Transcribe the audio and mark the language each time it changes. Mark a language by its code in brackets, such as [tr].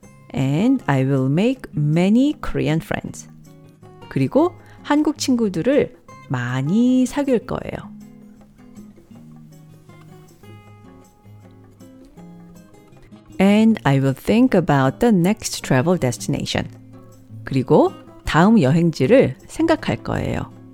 [en] And I will make many Korean friends. [ko] 그리고 한국 친구들을 많이 사귈 거예요. [en] And I will think about the next travel destination. [ko] 그리고 다음 여행지를 생각할 거예요.